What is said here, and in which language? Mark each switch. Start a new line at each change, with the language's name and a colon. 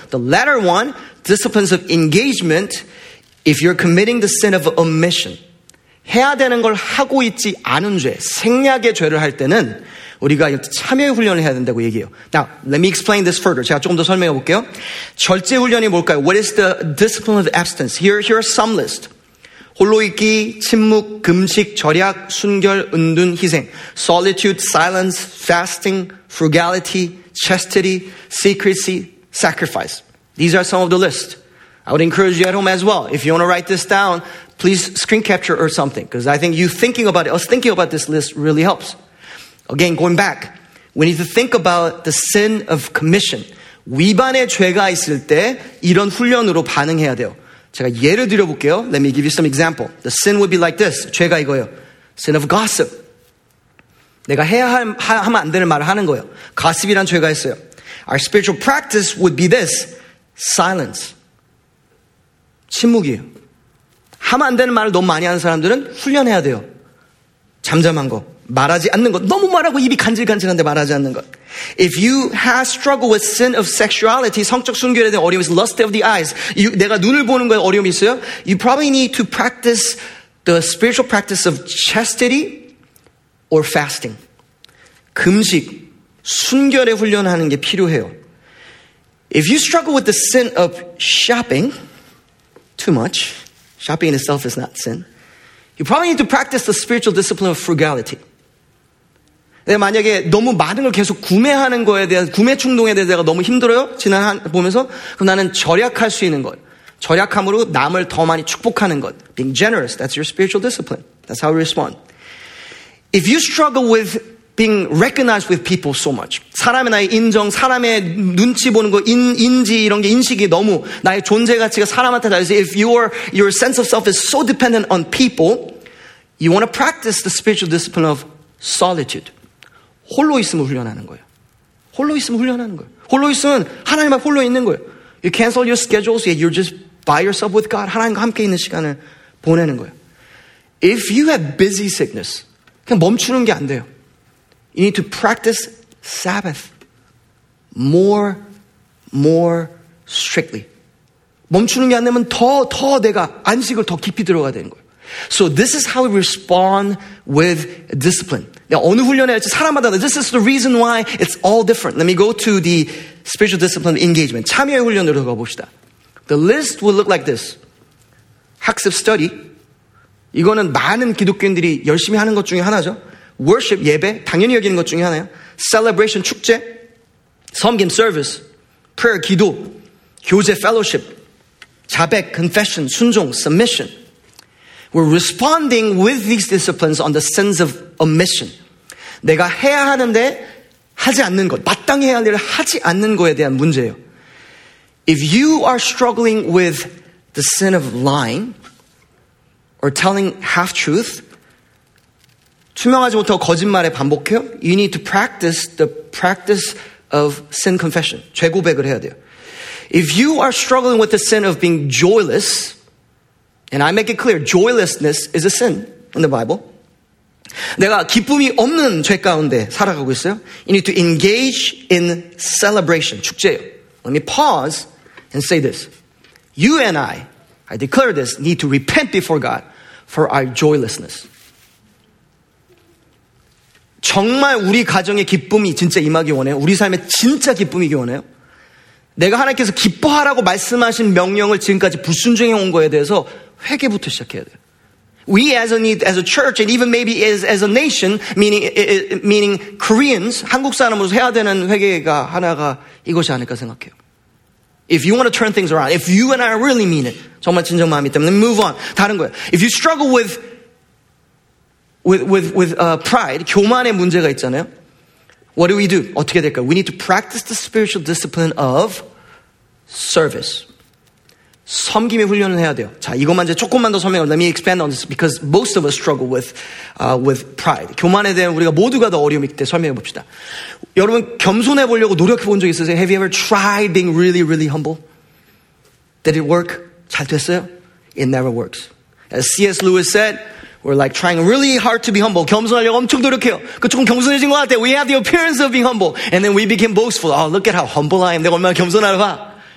English: The latter one, disciplines of engagement, if you're committing the sin of omission,
Korean: 해야 되는 걸 하고 있지 않은 죄, 생략의 죄를 할 때는 우리가 참여의 훈련을 해야 된다고 얘기해요.
English: Now, let me explain this further.
Korean: 제가 조금 더 설명해 볼게요. 절제 훈련이 뭘까요?
English: What is the discipline of abstinence? Here are some list.
Korean: 홀로 있기, 침묵, 금식, 절약, 순결, 은둔, 희생.
English: Solitude, silence, fasting, frugality, chastity, secrecy, sacrifice. These are some of the list. I would encourage you at home as well. If you want to write this down, please screen capture or something. Because I think you thinking about it, us thinking about this list really helps. Again, going back, we need to think about the sin of commission.
Korean: 위반의 죄가 있을 때 이런 훈련으로 반응해야 돼요. 제가 예를 들어볼게요.
English: Let me give you some example. The sin would be like this.
Korean: 죄가 이거예요.
English: Sin of gossip.
Korean: 내가 해야 하면 안 되는 말을 하는 거예요. Gossip이란 죄가 있어요.
English: Our spiritual practice would be this. Silence.
Korean: 침묵이에요. 하면 안 되는 말을 너무 많이 하는 사람들은 훈련해야 돼요. 잠잠한 거. 말하지 않는 것. 너무 말하고 입이 간질간질한데 말하지 않는 것.
English: If you have struggle with sin of sexuality,
Korean: 성적 순결에 대한 어려움이 있어요.
English: Lust of the eyes.
Korean: 내가 눈을 보는 거에 어려움이 있어요.
English: You probably need to practice the spiritual practice of chastity or fasting.
Korean: 금식, 순결에 훈련하는 게 필요해요.
English: If you struggle with the sin of shopping, too much, shopping in itself is not sin, you probably need to practice the spiritual discipline of frugality.
Korean: 내가 만약에 너무 많은 걸 계속 구매하는 거에 대한 구매 충동에 대해서 내가 너무 힘들어요. 지난 한 보면서 그럼 나는 절약할 수 있는 것. 절약함으로 남을 더 많이 축복하는 것.
English: Being generous. That's your spiritual discipline. That's how we respond. If you struggle with being recognized with people so much.
Korean: 사람의 나의 인정, 사람의 눈치 보는 거, 인지 이런 게 인식이 너무 나의 존재 가치가 사람한테 달려서
English: if your sense of self is so dependent on people, you want to practice the spiritual discipline of solitude.
Korean: 홀로 있으면 훈련하는 거예요. 홀로 있으면 훈련하는 거예요. 홀로 있으면 하나님만 홀로 있는 거예요.
English: You cancel your schedules, yet you're just by yourself with God.
Korean: 하나님과 함께 있는 시간을 보내는 거예요.
English: If you have busy sickness,
Korean: 그냥 멈추는 게 안 돼요.
English: You need to practice Sabbath more strictly.
Korean: 멈추는 게 안 되면 더 내가 안식을 더 깊이 들어가야 되는 거예요.
English: So this is how we respond with discipline.
Korean: 내가 어느 훈련을 할지 사람마다
English: This is the reason why it's all different. Let me go to the spiritual discipline engagement.
Korean: 참여의 훈련으로 가봅시다.
English: The list will look like this.
Korean: 학습 study. 이거는 많은 기독교인들이 열심히 하는 것 중에 하나죠. Worship, 예배, 당연히 여기는 것 중에 하나예요.
English: Celebration, 축제.
Korean: 섬김, service.
English: Prayer, 기도.
Korean: 교제, fellowship. 자백, confession, 순종, submission.
English: We're responding with these disciplines on the sense of omission.
Korean: 내가 해야 하는데 하지 않는 것, 마땅히 해야 할 일을 하지 않는 것에 대한 문제예요.
English: If you are struggling with the sin of lying or telling half-truth,
Korean: 투명하지 못하고 거짓말에 반복해요.
English: You need to practice the practice of sin confession.
Korean: 죄 고백을 해야 돼요.
English: If you are struggling with the sin of being joyless, and I make it clear, joylessness is a sin in the Bible.
Korean: 내가 기쁨이 없는 죄 가운데 살아가고 있어요.
English: You need to engage in celebration.
Korean: 축제예요.
English: Let me pause and say this. You and I declare this, need to repent before God for our joylessness.
Korean: 정말 우리 가정의 기쁨이 진짜 임하기 원해요? 우리 삶에 진짜 기쁨이기 원해요? 내가 하나님께서 기뻐하라고 말씀하신 명령을 지금까지 불순종해 온 거에 대해서 회개부터 시작해야 돼요.
English: We as a church and even maybe as a nation, meaning Koreans,
Korean: 한국 사람으로서 해야 되는 회개가 하나가 이것이 아닐까 생각해요.
English: If you want to turn things around, if you and I really mean it,
Korean: 정말 진정 마음이 있다면,
English: let me move on.
Korean: 다른 거예요.
English: If you struggle with pride,
Korean: 교만의 문제가 있잖아요.
English: What do we do?
Korean: 어떻게 될까요?
English: We need to practice the spiritual discipline of service.
Korean: 섬김의 훈련을 해야 돼요. 자, 이것만 이제 조금만 더 설명을.
English: Let me expand on this because most of us struggle with pride.
Korean: 교만에 대한 우리가 모두가 더 어려움이 있기 때문에 설명해 봅시다. 여러분, 겸손해 보려고 노력해 본 적 있으세요?
English: Have you ever tried being really, really humble? Did it work?
Korean: 잘 됐어요?
English: It never works. As C.S. Lewis said, we're like trying really hard to be humble.
Korean: 겸손하려고 엄청 노력해요. 그 조금 겸손해진 것 같아.
English: We have the appearance of being humble. And then we became boastful. Oh, look at how humble I am.
Korean: 내가 얼마나 겸손하려고 봐.